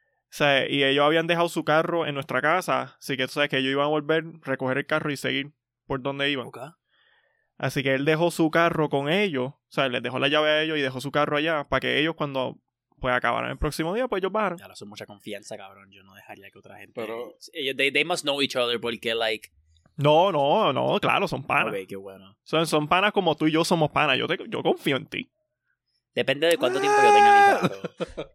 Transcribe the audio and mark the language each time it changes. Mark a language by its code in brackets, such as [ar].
[es] O sea, y ellos habían dejado su carro en nuestra casa, así que tú sabes que ellos iban a volver, recoger el carro y seguir por donde iban. Okay. Así que él dejó su carro con ellos, o sea, les dejó la llave a ellos y dejó su carro allá para que ellos cuando pues acabaran el próximo día, pues ellos bajaran. Ya lo son mucha confianza, cabrón, yo no dejaría que otra gente... Pero... Ellos, [en] they must know each other [es] porque, [en] like... [es] No, claro, son panas. Okay, qué bueno. Son panas como tú y yo somos panas, yo confío en ti. Depende de cuánto tiempo yo tenga mi carro.